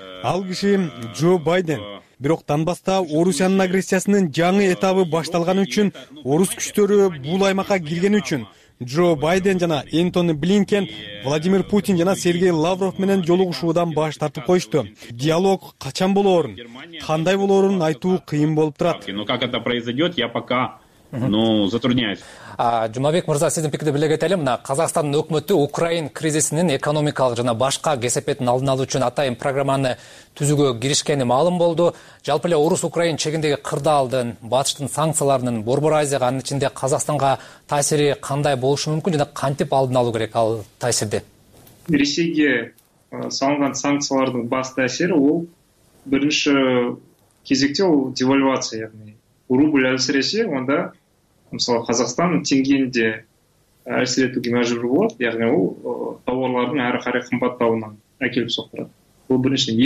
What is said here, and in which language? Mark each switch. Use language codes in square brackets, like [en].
[ky] Ал киши Джо Байден. Бирок Донбасста Орусиянын агрессиясынын жаңы этабы башталганы үчүн орус күчтөрү бул аймакка киргени үчүн Джо Байден жана Энтони Блинкен, Владимир Путин жана Сергей Лавров менен жолугушуудан баш тартып коюшту. Диалог качан болоорун, кандай болоорун айтуу кыйын болуп турат. [ru] Но как это произойдет, я пока, затрудняюсь. [ky] Жумабек мырза, сиздин пикирди биле кетели. Мына Казакстандын өкмөтү Украин кризисинин экономикалык жана башка кесепетин алдын алуу үчүн атайын программаны түзүүгө киришкени маалым болду. Жалпы эле орус украин чегиндеги кырдаалдын, батыштын санкцияларынын Борбор Азияга, анын ичинде Казакстанга таасири кандай болушу мүмкүн жана кантип алдын алуу керек ал таасирди? [kk] Ресейге салынган санкциялардын баш таасири ул биринчи кезекте ул девальвация, яны рубль әлсіресе, онда мысалы Қазақстан теңгені де әлсіретуге мәжбүр болады, яғни ол тауарлардың әрі қарай қымбаттауынан әкеліп соқтырады. Бұл біріншіден.